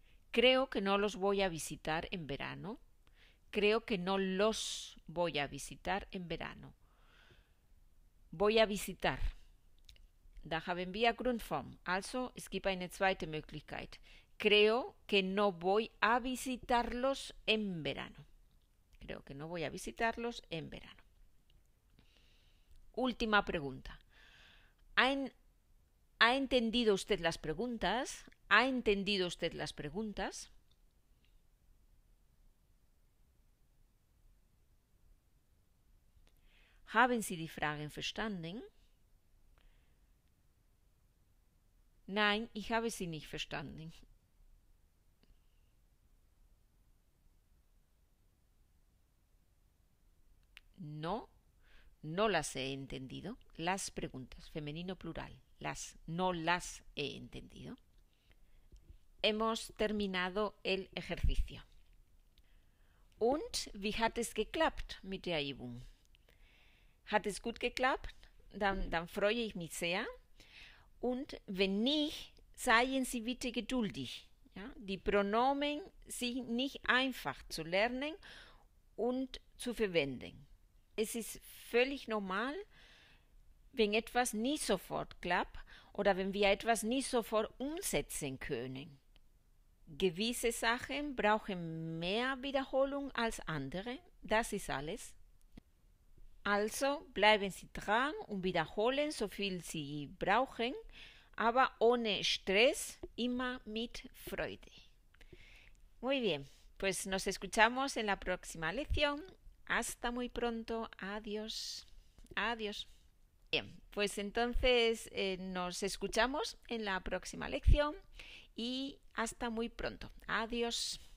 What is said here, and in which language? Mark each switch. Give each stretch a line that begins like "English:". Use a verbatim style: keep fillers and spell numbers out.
Spanish: Creo que no los voy a visitar en verano. Creo que no los voy a visitar en verano. Voy a visitar.
German: Da haben wir Grundform. Also, es gibt eine zweite Möglichkeit.
Spanish: Creo que no voy a visitarlos en verano. Creo que no voy a visitarlos en verano. Última pregunta. Ein, ¿Ha entendido usted las preguntas? ¿Ha entendido usted las preguntas?
German: ¿Haben Sie die Fragen verstanden? Nein, ich habe sie nicht verstanden.
Spanish: No, no las he entendido. Las preguntas, femenino plural. Las, no las he entendido. Hemos terminado el ejercicio.
German: Und wie hat es geklappt mit der Übung? Hat es gut geklappt? Dann, dann freue ich mich sehr. Und wenn nicht, seien Sie bitte geduldig. Ja? Die Pronomen sind nicht einfach zu lernen und zu verwenden. Es ist völlig normal, wenn etwas nicht sofort klappt oder wenn wir etwas nicht sofort umsetzen können. Gewisse Sachen brauchen mehr Wiederholung als andere, das ist alles. Also bleiben Sie dran und wiederholen so viel Sie brauchen, aber ohne Stress, immer mit Freude.
Spanish: Muy bien, pues nos escuchamos en la próxima lección. Hasta muy pronto. Adiós. Adiós. Bien, pues entonces eh, nos escuchamos en la próxima lección y hasta muy pronto. Adiós.